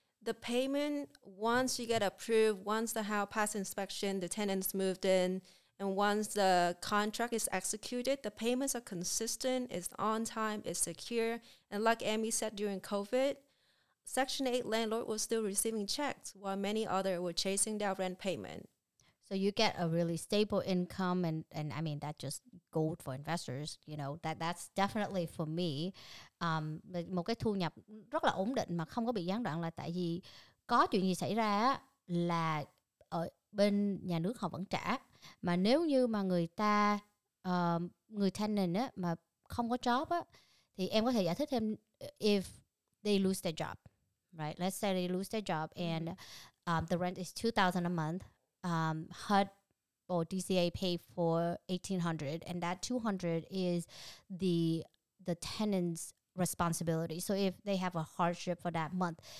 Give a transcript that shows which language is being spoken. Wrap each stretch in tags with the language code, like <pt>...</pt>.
<en>The payment, once you get approved, once the house passed inspection, the tenants moved in, and once the contract is executed, the payments are consistent, it's on time, it's secure. And like Amy said, during COVID, Section 8 landlord was still receiving checks while many other were chasing down rent payment. So you get a really stable income, and I mean, that's just gold for investors. You know, that's definitely for me.</en> <vi>Một cái thu nhập rất là ổn định mà không có bị gián đoạn là tại vì có chuyện gì xảy ra là ở bên nhà nước họ vẫn trả. Mà nếu như mà người ta, người tenant á, mà không có job á, thì em có thể giải thích thêm</vi> <en>if they lose their job, right? Let's say they lose their job and the rent is $2,000 a month. HUD or DCA pay for $1,800, and that $200 is the tenant's responsibility. So if they have a hardship for that month,</en>